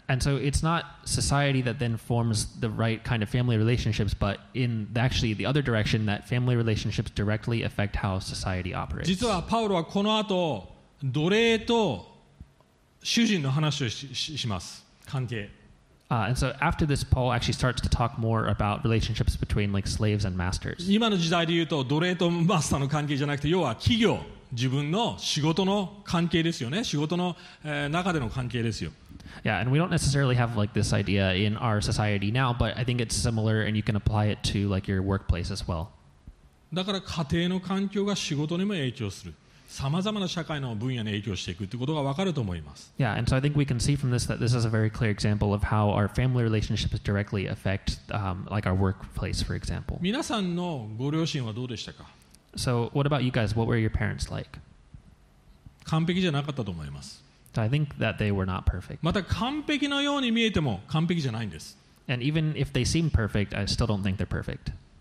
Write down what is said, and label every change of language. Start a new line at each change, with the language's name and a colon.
English: and so it's not society that then forms the right kind of family relationships, but in actually the other direction, that family relationships directly affect how society operates.
Japanese: 実はパウロはこの後奴隷と主人の話をします。関係。
English: And so after this, Paul actually starts to talk more about relationships between like slaves and masters.
Japanese: 今の時代で言うと奴隷とマスターの関係じゃなくて、要は企業、自分の仕事の関係ですよね。仕事の中での関係ですよ。Yeah,
English: and we don't necessarily have like this idea in our society now, but I think it's similar and you can apply it to like your workplace as well.
Japanese: だから家庭の環境が仕事にも影響する。
English: Yeah, and so I think we can see from this that this is a very clear example of how our family relationships directly affect like our workplace, for example.
Japanese: 皆さんのご両親はどうでしたか?
English: So what about you guys? What were your parents like?
Japanese: 完璧じゃなかったと思います。
English: So I think that they were not perfect.
Japanese: また完璧なように見えても完璧じゃないんです。
English: And even if they seem perfect, I still don't think they're perfect.